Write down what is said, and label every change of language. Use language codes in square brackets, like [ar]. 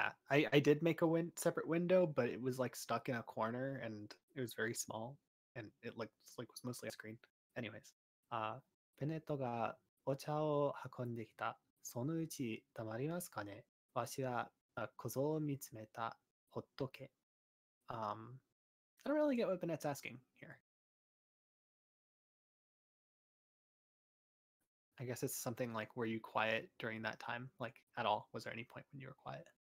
[en] I did make a separate window, but it was like stuck in a corner and it was very small and it looked like it was mostly a screen. Anyways. [ja] ベネットがお茶を運んできた。そのうち黙りますかね。わしは小僧を見つめた。ほっとけ。 [en] I don't really get what Bennett's asking here. I guess it's something like, were you quiet during that time? Like, at all? Was there any point when you were quiet?